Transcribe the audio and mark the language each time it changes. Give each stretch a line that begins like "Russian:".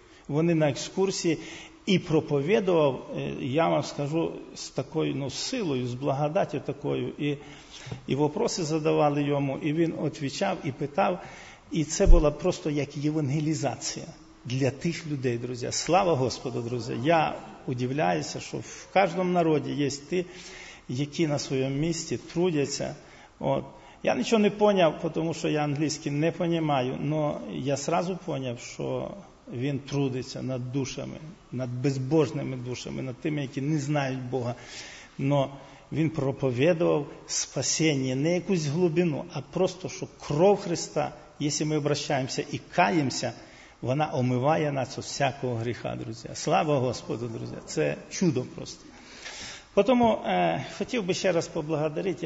Ukrainian: Вони на екскурсії і проповідував, я вам скажу, з такою, ну, силою, з благодаттю такою, і вопроси задавали йому, і він відповідав, і питав. І це була просто як євангелізація для тих людей, друзі. Слава Господу, друзі. Я удивляюся, що в кожному народі є ті, які на своєму місці трудяться,
Russian: Вот. Я ничего не понял, потому что я английский не понимаю, но я сразу понял, что
Ukrainian: він трудиться над душами, над безбожними душами, над тими, які не знають Бога. Но він проповедував спасіння не якусь глибину, а просто, що кров Христа, якщо ми обращаємося і каємося, вона омиває нас від всякого гріха, друзі. Слава Господу, друзі. Це чудо просто. Тому хотів би ще раз поблагодарити.